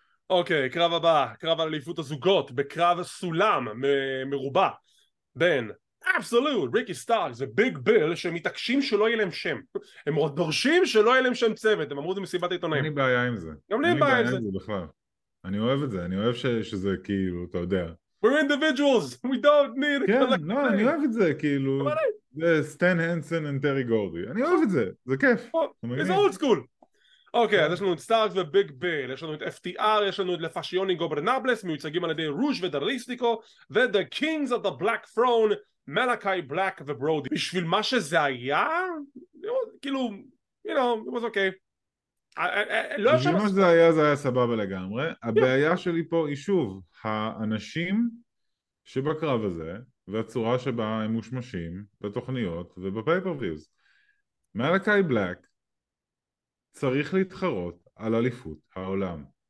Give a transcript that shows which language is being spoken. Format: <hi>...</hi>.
<he>אוקיי, קרב הבא, קרב על אליפות הזוגות, בקרב סולם מרובע בין אבסולוט, ריקי סטארקס וביג ביל, שמתעקשים שלא יהיה להם שם. הם דורשים שלא יהיה להם שם צוות, הם אמרו את זה מסיבת העיתונאים. אין לי בעיה עם זה. גם לי בעיה עם זה. אין לי בעיה עם זה בכלל. אני אוהב את זה, אני אוהב שזה כאילו, אתה יודע.</he> <en>We're individuals, we don't need...</en> <he>כן, לא, אני אוהב את זה, כאילו... זה סטן הנסן וטרי גורדי. אני אוהב את זה, זה כיף.</he> <en>It's old school.</en> <he>אוקיי, אז יש לנו את סטארקס וביג ביל, יש לנו את FTR, יש לנו את לפאשיוני גוברנבלס, מיוצגים על ידי רוש ודרליסטיקו, ודה קינגס אוף דה בלק ת'רון, מלאקי בלק וברודי. בשביל מה שזה היה? כאילו,</he> <en>you know, it was okay.</en> <he>בשביל מה שזה היה, זה היה סבבה לגמרי. הבעיה שלי פה היא שוב, האנשים שבקרב הזה, והצורה שבה הם מושמשים בתוכניות ובפייפרוויוז. מלאקי בלק צריך להתחרות על אליפות העולם.</he>